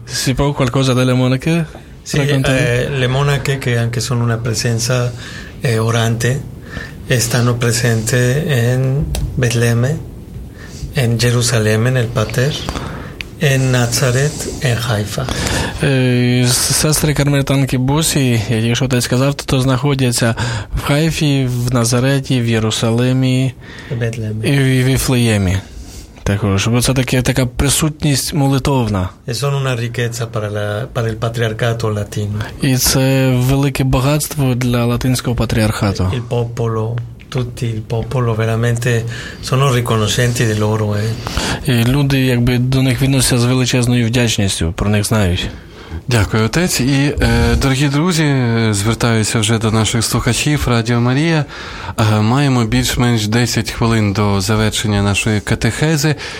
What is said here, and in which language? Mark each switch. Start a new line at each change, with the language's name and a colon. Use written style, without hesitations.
Italian: Si può qualcosa delle monache? Sì, le monache che anche sono una presenza orante e stanno presenti in Betlemme. In Gerusalemme, nel Pater, in Nazareth, in Haifa.
Ukrainian: Сестри кармелітанки Бусі, якщо ти сказав, то знаходяться в Хайфі, в Назареті, в Єрусалимі і в Віфлеємі. Також, бо це така присутність молитовна.
Italian: E sono una ricchezza per il patriarcato latino.
Ukrainian: І це велике багатство для латинського патріархату.
Italian: Il popolo. Tutti il popolo veramente sono riconoscenti di loro,
Ukrainian: І люди якби до них відносяться з величезною вдячністю, про них знають. Дякую, отець. І дорогі друзі, звертаюся вже до наших слухачів Радіо Марія. Маємо більш-менш 10 хвилин до завершення нашої катехези.